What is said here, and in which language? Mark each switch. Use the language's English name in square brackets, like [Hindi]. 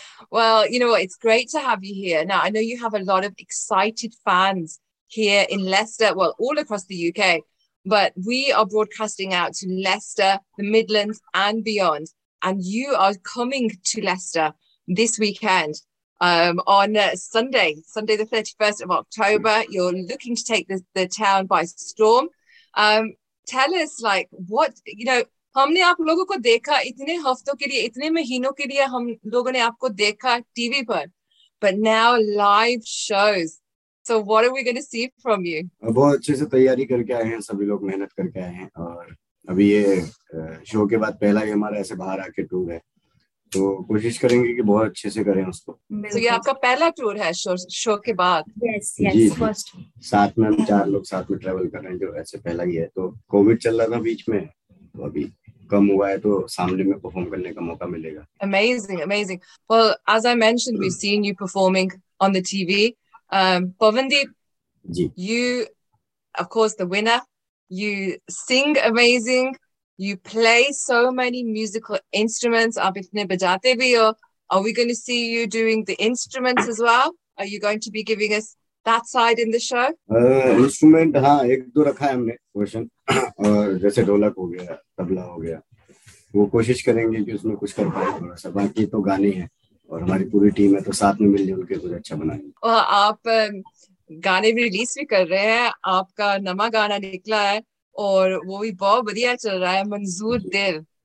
[English] Well, you know what? It's great to have you here. Now, I know you have a lot of excited fans here in Leicester, well, all across the UK, but we are broadcasting out to Leicester, the Midlands and beyond. And you are coming to Leicester this weekend on Sunday, the 31st of October. You're looking to take the town by storm. Tell us, like, what, you know, [Hindi] हमने आप लोगों को देखा इतने हफ्तों के लिए इतने महीनों के लिए हम लोगों ने आपको देखा टीवी पर [English] But now live shows so what are we gonna see from you. [Hindi] बहुत अच्छे से तैयारी करके आए हैं सभी लोग, मेहनत करके आए हैं और अभी ये शो के बाद पहला ही हमारा ऐसे बाहर आके टूर है तो कोशिश करेंगे कि बहुत अच्छे से करें उसको. So ये आपका पहला टूर है शो के बाद? [English] Yes, yes, first. [Hindi] साथ में हम चार लोग साथ में ट्रेवल कर रहे हैं जो ऐसे पहला ही है तो कोविड चल रहा था बीच में तो अभी कम हुआ है तो सामने में परफॉर्म करने का मौका मिलेगा. [English] Amazing, amazing. Well, as I mentioned, we've seen you performing on the TV. Bhavandeep, you, of course, the winner. You sing amazing. You play so many musical instruments. [Hindi] आप इतने बजाते भी हो. [English] Are we going to see you doing the instruments as well? Are you going to be giving us that side in the show? [Hindi] Instrument, हाँ, एक दो रखा है हमने क्वेश्चन और जैसे ढोलक हो गया, तबला हो गया, वो कोशिश करेंगे कि उसमें कुछ कर पाए थोड़ा सा. बाकी तो गाने हैं और हमारी पूरी टीम है तो साथ में मिलजुल के कुछ अच्छा बनाएंगे. और आप गाने भी रिलीज भी कर रहे हैं, आपका नवा गाना निकला है और वो भी बहुत बढ़िया चल रहा है, मंजूर दिल.